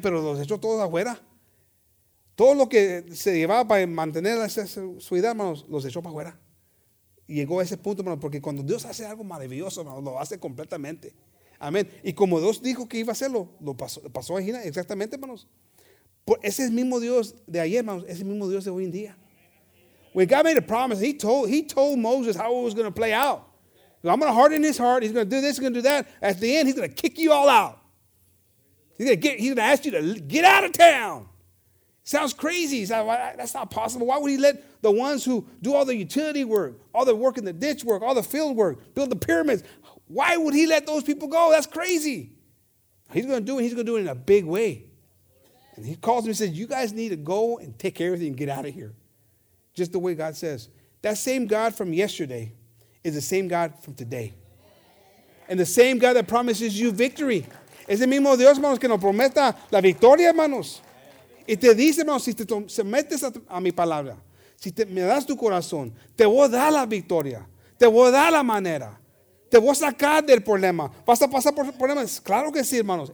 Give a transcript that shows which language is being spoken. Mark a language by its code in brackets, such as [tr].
[es] Pero los echó todos afuera. Todo lo que se llevaba para mantener esa ciudad, hermanos, los echó para afuera. Llegó a ese punto, hermano, porque cuando Dios hace algo maravilloso, hermano, lo hace completamente. Amén. Y como Dios dijo que iba a hacerlo, lo pasó a Gina, exactamente, hermanos. Ese es el mismo Dios de ayer, hermanos, es el mismo Dios de hoy en día. [en] When God made a promise, he told Moses how it was going to play out. I'm going to harden his heart, he's going to do this, he's going to do that. At the end, he's going to kick you all out. He's going to ask you to get out of town. Sounds crazy. That's not possible. Why would he let the ones who do all the utility work, all the work in the ditch work, all the field work, build the pyramids, why would he let those people go? That's crazy. He's going to do it. He's going to do it in a big way. And he calls me and says, you guys need to go and take everything and get out of here. Just the way God says. That same God from yesterday is the same God from today. And the same God that promises you victory. [es] Es el mismo Dios, hermanos, que nos prometa la victoria, hermanos. Y te dice, hermano, si te sometes a mi palabra, si me das tu corazón, te voy a dar la victoria, te voy a dar la manera, te voy a sacar del problema. ¿Vas a pasar por problemas? Claro que sí, hermanos.